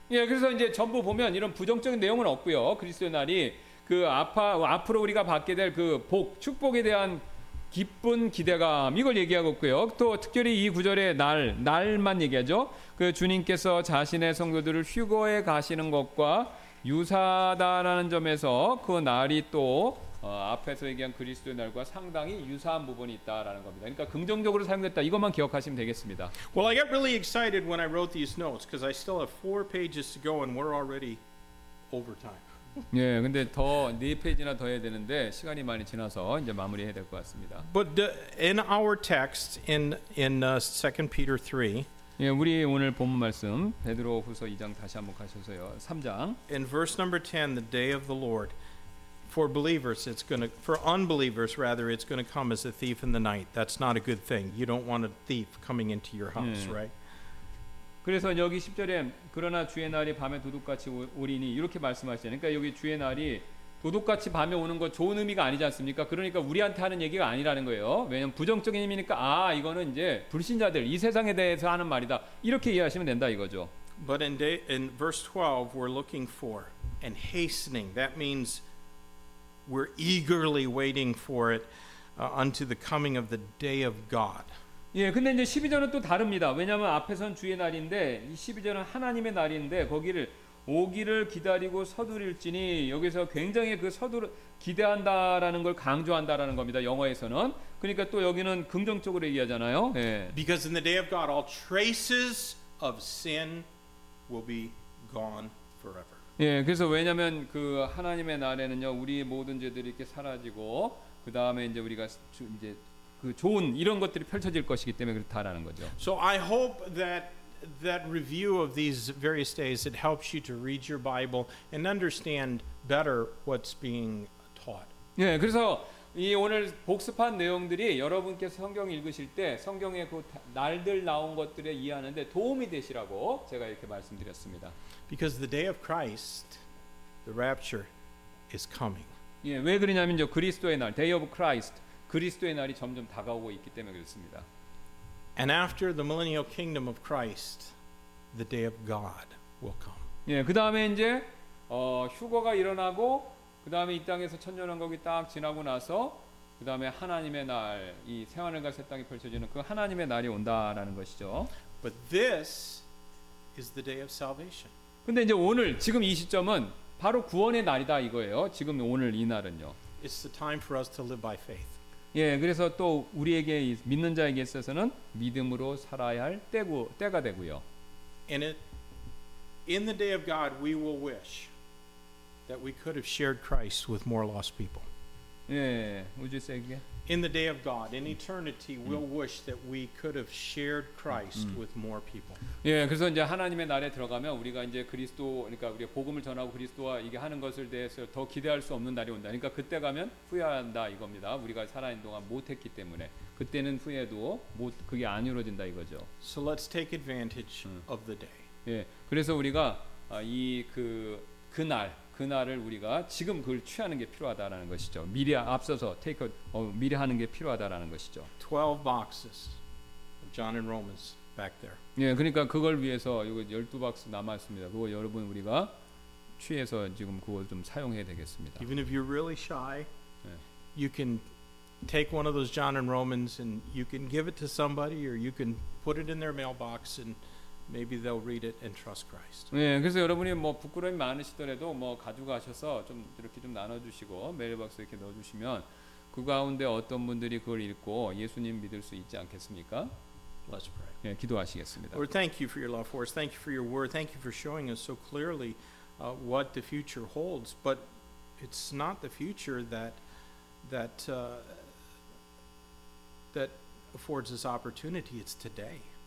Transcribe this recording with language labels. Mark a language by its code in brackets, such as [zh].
[ko] 예, 그래서 이제 전부 보면 이런 부정적인 내용은 없고요. 그리스도의 날이 그 앞으로 우리가 받게 될 그 복, 축복에 대한 기쁜 기대감 이걸 얘기하고 있고요. 또 특별히 이 구절의 날, 날만 얘기하죠. 그 주님께서 자신의 성도들을 휴거에 가시는 것과 유사하다라는 점에서 그 날이 또 앞에서 얘기한 그리스도의 날과 상당히 유사한 부분이 있다라는 겁니다. 그러니까 긍정적으로 사용됐다. 이것만 기억하시면 되겠습니다. [en] Well, I got really excited when I wrote these notes because I still have 4 pages to go and we're already over time. [ko] 예, 근데 더 네 페이지나 더 해야 되는데 시간이 많이 지나서 이제 마무리해야 될 것 같습니다. [en] But in our text in 2 Peter 3. [ko] 예, 우리 오늘 본 말씀 베드로후서 2장 다시 한번 가셔서요. 3장. [en] In verse number 10, the day of the Lord. For believers, it's gonna. For unbelievers, rather, it's gonna come as a thief in the night. That's not a good thing. You don't want a thief coming into your house, 네. right? [ko] 그래서 여기 10절에 그러나 주의 날이 밤에 도둑같이 오리니 이렇게 말씀하시네. 그러니까 여기 주의 날이 도둑같이 밤에 오는 거 좋은 의미가 아니지 않습니까? 그러니까 우리한테 하는 얘기가 아니라는 거예요. 왜냐면 부정적인 의미니까 아 이거는 이제 불신자들 이 세상에 대해서 하는 말이다. 이렇게 이해하시면 된다 이거죠. [en] But in verse 12, we're looking for and hastening. That means We're eagerly waiting for it unto the coming of the day of God. [ko] 예, 근데 이제 12절은 또 다릅니다. 왜냐하면 앞에선 주의 날인데 이 12절은 하나님의 날인데 거기를 오기를 기다리고 서두릴지니 여기서 굉장히 그 서두르 기대한다라는 걸 강조한다라는 겁니다. 영어에서는 그러니까 또 여기는 긍정적으로 얘기하잖아요. 예. [en] Because in the day of God, all traces of sin will be gone forever. [ko] 예, 그래서 왜냐하면 그 하나님의 날에는요, 우리 모든 죄들이 이렇게 사라지고 그 다음에 이제 우리가 이제 그 좋은 이런 것들이 펼쳐질 것이기 때문에 그렇다라는 거죠. [en] So I hope that review of these various days it helps you to read your Bible and understand better what's being taught. [ko] 예, 그래서 이 오늘 복습한 내용들이 여러분께서 성경 읽으실 때 성경의 그 날들 나온 것들에 이해하는데 도움이 되시라고 제가 이렇게 말씀드렸습니다. [en] Because the day of Christ, the rapture, is coming. [ko] 예, 왜 그러냐면요, 그리스도의 날, [en] Day of Christ, [ko] 그리스도의 날이 점점 다가오고 있기 때문에 그렇습니다. [en] And after the millennial kingdom of Christ, the day of God will come. [ko] 예, 그 다음에 이제 휴거가 일어나고 그 다음에 이 땅에서 천년왕국이 딱 지나고 나서 그 다음에 하나님의 날, 이 새하늘과 새 땅이 펼쳐지는 그 하나님의 날이 온다라는 것이죠. [en] But this is the day of salvation. [ko] 근데 이제 오늘 지금 이 시점은 바로 구원의 날이다 이거예요. 지금 오늘 이 날은요. [en] It's the time for us to live by faith. [ko] 예, 그래서 또 우리에게 믿는 자에게 있어서는 믿음으로 살아야 할 때가 되고요. [en] In the day of God, we will wish that we could have shared Christ with more lost people. 예, would you say again? In the day of God, in eternity, we'll wish that we could have shared Christ with more people. [ko] 예, 그래서 이제 하나님의 날에 들어가면 우리가 이제 그리스도, 그러니까 우리가 복음을 전하고 그리스도와 이게 하는 것을 대해서 더 기대할 수 없는 날이 온다. 그러니까 그때 가면 후회한다 이겁니다. 우리가 살아있는 동안 못했기 때문에 그때는 후회도 못 그게 안 이루어진다 이거죠. [en] So let's take advantage of the day. [ko] 예, 그래서 우리가 이 그날 그날을 우리가 지금 그걸 취하는 게 필요하다라는 것이죠. 미리 앞서서 미리 하는 게 필요하다라는 것이죠. [en] 12 boxes of John and Romans back there. [ko] 예, 그러니까 그걸 위해서 요거 12 박스 남아 있습니다. 그거 여러분 우리가 취해서 지금 그걸 좀 사용해야 되겠습니다. [en] Even if you're really shy, 예. you can take one of those John and Romans and you can give it to somebody or you can put it in their mailbox and Maybe they'll read it and trust Christ. [ko] 네, 그래서 여러분이 뭐 부끄러움이 많으시더라도 뭐 가져가셔서 좀 이렇게 좀 나눠주시고 메일박스 이렇게 넣어주시면 그 가운데 어떤 분들이 그걸 읽고 예수님 믿을 수 있지 않겠습니까? [en] Let's pray. [ko] 네, 기도하시겠습니다. [en] Lord, thank you for your love for us. Thank you for your word. Thank you for showing us so clearly what the future holds. But it's not the future that affords us opportunity. It's today.